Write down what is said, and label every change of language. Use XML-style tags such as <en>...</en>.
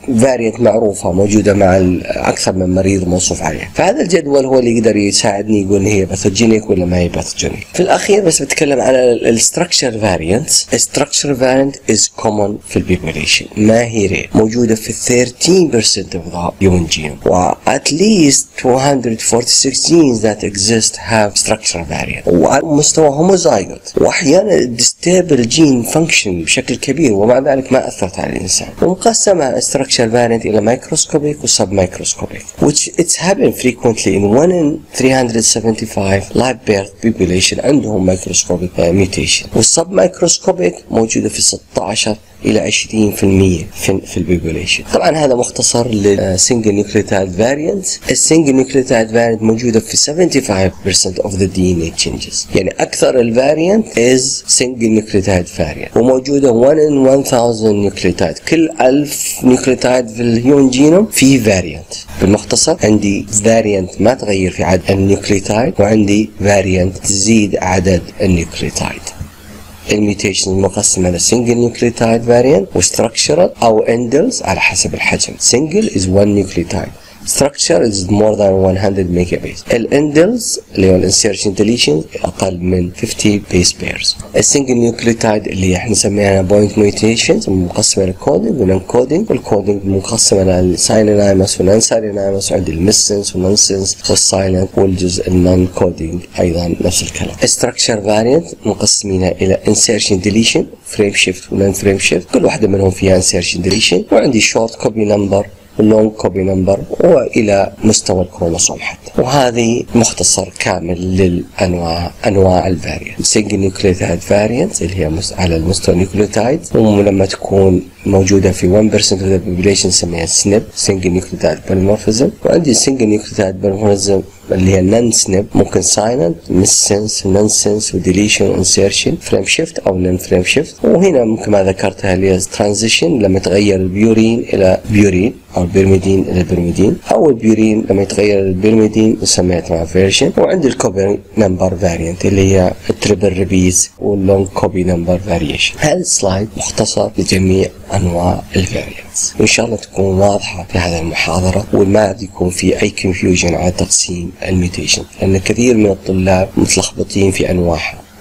<ar>فاريانت معروفة موجودة مع أكثر من مريض موصوف عليها. فهذا الجدول هو اللي يقدر يساعدني يقول هي باثوجينيك ولا ما هي باثوجينيك. في الأخير بس بتكلم على الستركشر فاريانت. الستركشر فاريانت</ar> <en>is common</en> <ar>في البيبوليشن، ما هي رير، موجودة في 13%</ar> <en>of the human genome. و at least 246 genes that exist have structure variant.</en> <ar>وعلى مستوى هوموزايغوت، وأحيانا الديستيبل جين فانكشن بشكل كبير ومع ذلك ما أثرت على الإنسان.</ar> <en>ومقسمة structure variant إلى microscopic و submicroscopic which it's happened frequently in 1 in 375 live birth population عندهم microscopic mutation.</en> <ar>والsubmicroscopic موجودة في 16 إلى 20% في البيبوليشن. طبعا هذا مختصر للسنجل نيوكليوتايد فاريانت. السنجل نيوكليوتايد فاريانت موجودة في 75%</ar> <en>of the DNA changes،</en> <ar>يعني أكثر الفاريانت</ar> <en>is single nucleotide variant</en> <ar>وموجودة 1 in 1000 نيوكليوتايد. كل 1000 نيوكليوتايد في الهيومن جينوم في فاريانت. بالمختصر عندي فاريانت ما تغير في عدد النيوكليوتايد، وعندي فاريانت تزيد عدد النيوكليوتايد. الميوتيشن المقسم على single nucleotide variant و structural أو indels على حسب الحجم.</ar> <en>single is one nucleotide. structure is more than 100 megabase.</en> <ar>الindels اللي هو insertion deletion أقل من 50 base pairs. single nucleotide اللي احنا نسميها point mutations مقسم على coding و non-coding. والcoding مقسم على synonymous و non-synonymous، عندي missense و nonsense و silent والجزء non-coding أيضا نفس الكلام. structure variant مقسمينها إلى insertion deletion، frame shift و non-frame shift، كل واحدة منهم فيها insertion deletion، وعندي short copy number long copy number وإلى مستوى الكروموسوم حتى. وهذه مختصر كامل للأنواع، أنواع الفاريانت. single nucleotide variant اللي هي على المستوى نيوكليوتايد، ولما تكون موجودة في 1%</ar> <en>of the population</en> <ar>نسميها SNP single nucleotide polymorphism.</ar> <en>وعندي single nucleotide polymorphism اللي هي non-SNP، ممكن silent، missense، nonsense، deletion، insertion، frame shift أو non-frame shift.</en> <ar>وهنا ممكن ما ذكرتها اللي هي transition لما تغير البيورين إلى بيورين، أو البيرميدين إلى البيرميدين، أو البيورين لما يتغير البيرميدين نسميها transversion. وعندي الكوبي نمبر variant اللي هي التريبل ريبيز واللونج كوبي نمبر variation. هذا السلايد مختصر لجميع أنواع الفاريانتس، وإن شاء الله تكون واضحة في هذه المحاضرة وما يكون في أي confusion على تقسيم الميوتيشن، لأن كثير من الطلاب متلخبطين في أنواعها.</ar>